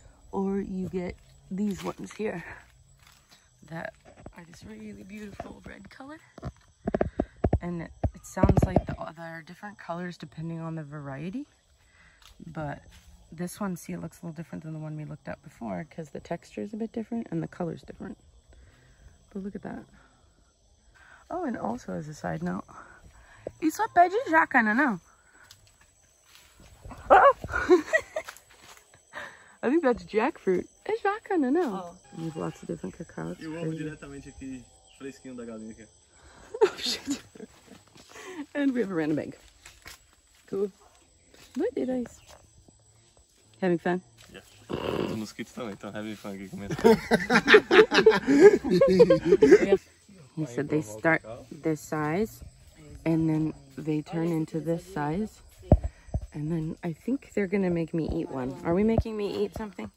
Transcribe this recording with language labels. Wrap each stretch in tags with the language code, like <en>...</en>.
<en>Or you get these ones here that are this really beautiful red color. And it sounds like there are different colors depending on the variety. But this one, see, it looks a little different than the one we looked at before because the texture is a bit different and the color's different. But look at that. Oh, and also as a side note,</en> <pt>isso é pé de jaca, não?</pt> <en>I think that's jackfruit.</en> <pt>É jaca, não?</pt> <en>Oh. We have lots of different cacao.</en> <pt>Eu amo diretamente aqui, fresquinho da galinha aqui.</pt> <en>Oh, shit. And we have a random egg. Cool. Look, they're nice. Having fun? Yeah. The mosquitoes</en> <pt>também estão</pt> <en>having fun</en> <pt>aqui comendo.</pt> <en>He said they start this size and then they turn into this size. And then I think they're gonna make me eat one. Are we making me eat something?</en>